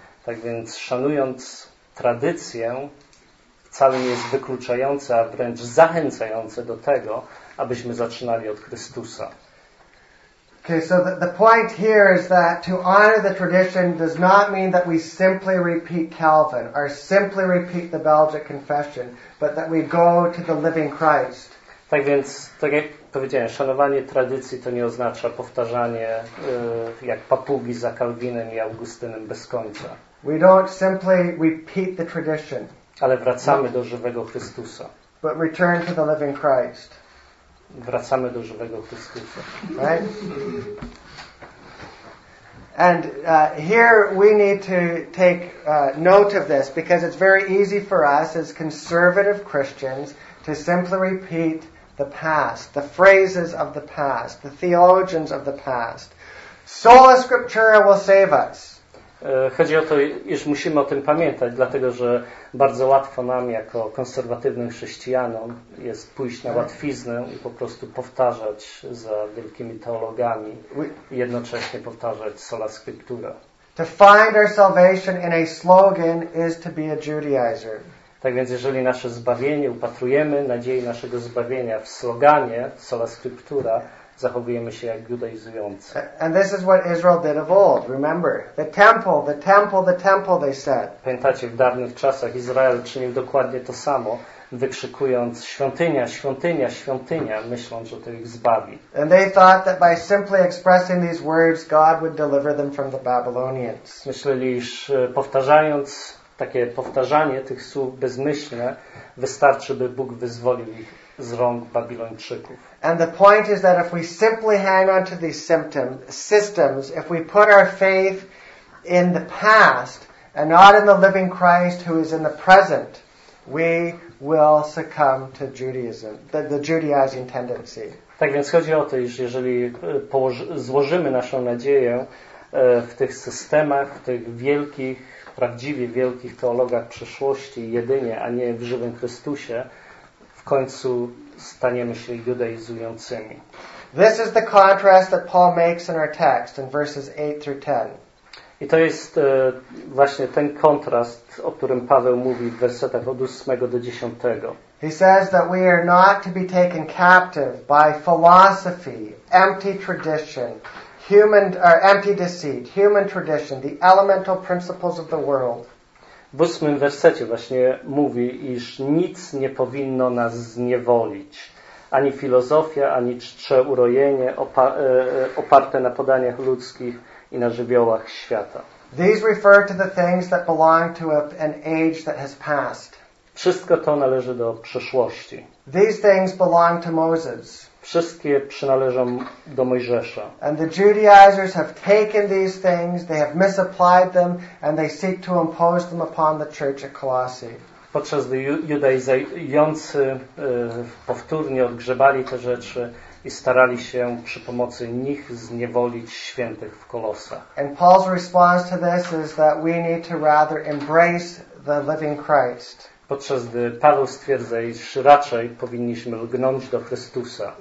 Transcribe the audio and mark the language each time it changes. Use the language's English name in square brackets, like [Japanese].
[Polish] Tak więc szanując tradycję, wcale nie jest wykluczające, a wręcz zachęcające do tego, abyśmy zaczynali od Chrystusa. [English] Okay, so the point here is that to honor the tradition does not mean that we simply repeat Calvin or simply repeat the Belgic Confession, but that we go to the living Christ. [Polish] Tak więc, tak jak powiedziałem, szanowanie tradycji to nie oznacza powtarzanie jak papugi za Kalwinem i Augustynem bez końca. [English] We don't simply repeat the tradition. [Polish] Ale wracamy do żywego Chrystusa. [English] But return to the living Christ. [Polish] Wracamy do żywego Chrystusa. [English] Right? And here we need to take note of this because it's very easy for us as conservative Christians to simply repeat the past, the phrases of the past, the theologians of the past. Sola Scriptura will save us. [Polish] Chodzi o to, iż musimy o tym pamiętać, dlatego że bardzo łatwo nam, jako konserwatywnym chrześcijanom, jest pójść na łatwiznę i po prostu powtarzać za wielkimi teologami i jednocześnie powtarzać sola scriptura. [English] To find our salvation in a slogan is to be a Judaizer. [Polish] Tak więc jeżeli nasze zbawienie upatrujemy nadziei naszego zbawienia w sloganie sola scriptura, zachowujemy się jak judaizujący. [English] And this is what Israel did of old. Remember, the temple, the temple, the temple, they said. [Polish] Pamiętacie, w dawnych czasach Izrael czynił dokładnie to samo, wykrzykując świątynia, świątynia, świątynia, myśląc, że to ich zbawi. [English] And they thought that by simply expressing these words, God would deliver them from the Babylonians. [Polish] Myśleli, iż powtarzając takie powtarzanie tych słów bezmyślne, wystarczy, by Bóg wyzwolił ich z rąk Babilończyków. [English] And the point is that if we simply hang on to these systems, if we put our faith in the past and not in the living Christ who is in the present, we will succumb to Judaism, the Judaizing tendency. [Polish] Tak więc chodzi o to, iż jeżeli złożymy naszą nadzieję w tych systemach, w tych wielkich, prawdziwie wielkich teologach przeszłości jedynie, a nie w żywym Chrystusie, w końcu staniemy się judaizującymi. [English] This is the contrast that Paul makes in our text in verses 8 through 10. [Polish] I to jest właśnie ten kontrast, o którym Paweł mówi w wersetach od 8 do 10. [English] He says that we are not to be taken captive by philosophy, empty tradition, human or empty deceit, human tradition, the elemental principles of the world. [Polish] W 8 wersecie właśnie mówi, iż nic nie powinno nas zniewolić. Ani filozofia, ani czcze urojenie oparte na podaniach ludzkich i na żywiołach świata. [English] These refer to the things that belong to an age that has passed. [Polish] Wszystko to należy do przeszłości. [English] These things belong to Moses. [Polish] Wszystkie przynależą do Mojżesza. [English] And the Judaizers have taken these things, they have misapplied them, and they seek to impose them upon the church at Colossae. [Polish] Podczas gdy judaizujący powtórnie odgrzebali te rzeczy i starali się przy pomocy nich zniewolić świętych w Kolosach. [English] And Paul's response to this is that we need to rather embrace the living Christ. [Polish] Podczas gdy Paweł stwierdza, iż raczej powinniśmy lgnąć do Chrystusa.